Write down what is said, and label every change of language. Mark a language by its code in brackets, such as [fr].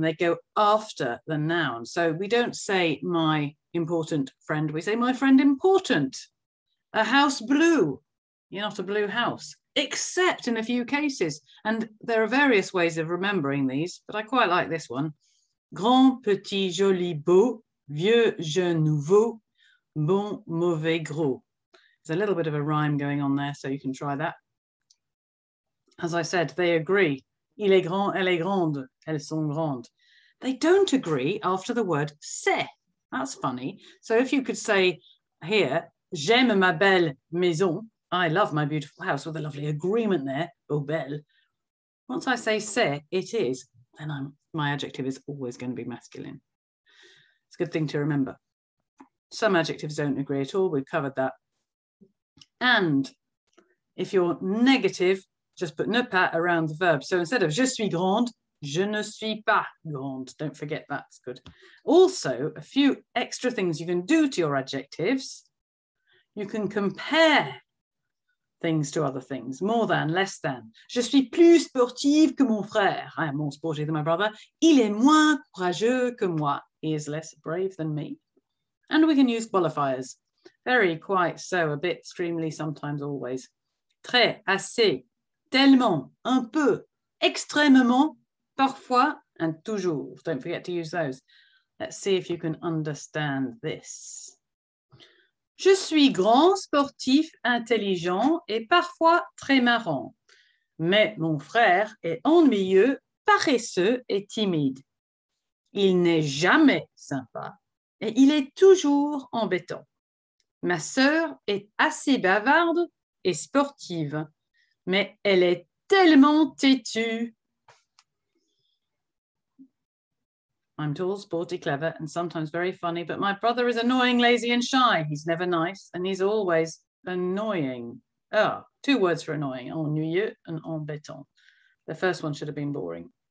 [en] They go after the noun. So we don't say my important friend, we say my friend important. A house blue, you're not a blue house, except in a few cases. And there are various ways of remembering these, but I quite like this one. [fr] Grand, petit, joli, beau, vieux, jeune, nouveau, bon, mauvais, gros. [en] There's a little bit of a rhyme going on there, so you can try that. As I said, they agree. [fr] Il est grand, elle est grande, elles sont grandes. [en] They don't agree after the word c'est. That's funny. So if you could say here, [fr] j'aime ma belle maison, [en] I love my beautiful house, with a lovely agreement there, beau belle. Once I say c'est, it is, then I'm... my adjective is always going to be masculine. It's a good thing to remember. Some adjectives don't agree at all. We've covered that. And if you're negative, just put ne pas around the verb. So instead of [fr] je suis grande, je ne suis pas grande. [en] Don't forget that's good. Also, a few extra things you can do to your adjectives. You can compare things to other things, more than, less than. [fr] Je suis plus sportive que mon frère. [en] I am more sportive than my brother. [fr] Il est moins courageux que moi. [en] He is less brave than me. And we can use qualifiers. Very, quite, so, a bit, extremely, sometimes, always. [fr] Très, assez, tellement, un peu, extrêmement, parfois, [en] and [fr] toujours. [en] Don't forget to use those. Let's see if you can understand this. [fr] Je suis grand, sportif, intelligent et parfois très marrant. Mais mon frère est ennuyeux, paresseux et timide. Il n'est jamais sympa et il est toujours embêtant. Ma sœur est assez bavarde et sportive, mais elle est tellement têtue. [en] I'm tall, sporty, clever, and sometimes very funny, but my brother is annoying, lazy, and shy. He's never nice, and he's always annoying. Oh, two words for annoying, ennuyeux and embêtant. The first one should have been boring.